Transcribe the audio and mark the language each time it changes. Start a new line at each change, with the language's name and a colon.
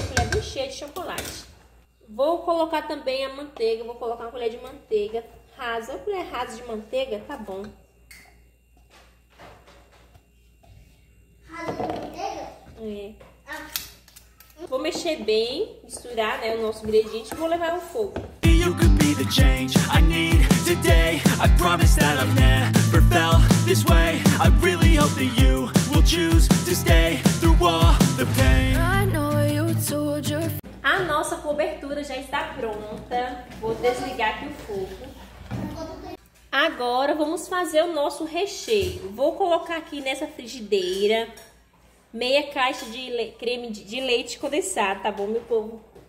Portuguese: Colher bem cheia de chocolate. Vou colocar também a manteiga, vou colocar 1 colher de manteiga rasa. 1 colher rasa de manteiga, tá bom. Rasa de manteiga? É. Vou mexer bem, misturar, né, o nosso ingrediente e vou levar ao fogo.
English: The change I need today. I promise that I've never felt this way. I really hope that you will choose to stay through all the pain. I know you told your...
Portuguese: A nossa cobertura já está pronta. Vou desligar aqui o fogo. Agora vamos fazer o nosso recheio. Vou colocar aqui nessa frigideira 1/2 caixa de creme de leite condensado, tá bom, meu povo?